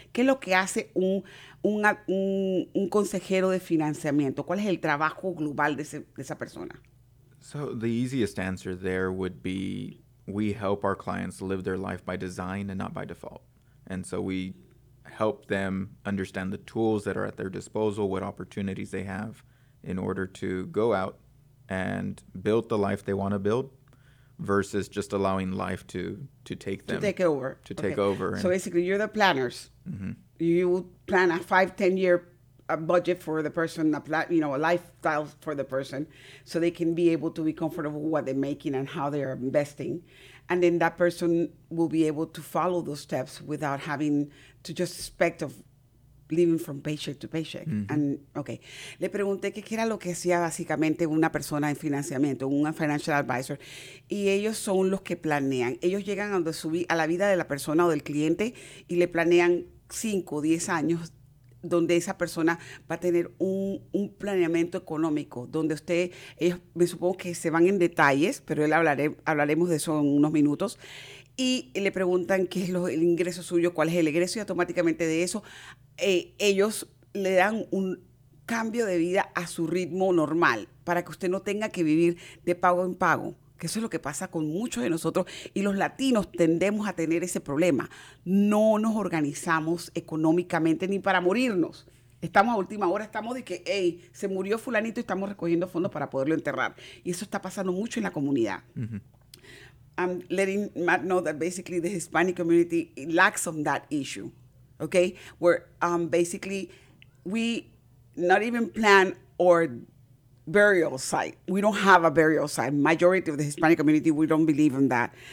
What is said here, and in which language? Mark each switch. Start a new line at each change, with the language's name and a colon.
Spanish: ¿Qué es lo que hace un consejero de financiamiento? ¿Cuál es el trabajo global de esa persona?
English: So the easiest answer there would be we help our clients live their life by design and not by default. And so we help them understand the tools that are at their disposal, what opportunities they have in order to go out and build the life they want to build versus just allowing life to take over. So basically you're the planners. Mm-hmm. You plan a 5-10 year budget for the person, a lifestyle for the person, so they can be able to be comfortable with what they're making and how they are investing. And then that person will be able to follow those steps without having to just expect of living from paycheck to paycheck. Mm-hmm. And okay.
Spanish: Le pregunté qué era lo que hacía básicamente una persona en financiamiento, un financial advisor. Y ellos son los que planean. Ellos llegan a la vida de la persona o del cliente y le planean 5-10 años donde esa persona va a tener un planeamiento económico, donde ellos me supongo que se van en detalles, pero hablaremos de eso en unos minutos, y le preguntan qué es el ingreso suyo, cuál es el egreso, y automáticamente de eso ellos le dan un cambio de vida a su ritmo normal para que usted no tenga que vivir de pago en pago. Que eso es lo que pasa con muchos de nosotros y los latinos tendemos a tener ese problema. No nos organizamos económicamente ni para morirnos. Estamos a última hora, estamos de que, hey, se murió fulanito y estamos recogiendo fondos para poderlo enterrar. Y eso está pasando mucho en la comunidad. Mm-hmm.
English: I'm letting Matt know that basically the Hispanic community lacks on that issue, okay? Where basically we not even plan or burial site. We don't have a burial site. Majority of the Hispanic community, we don't believe in that.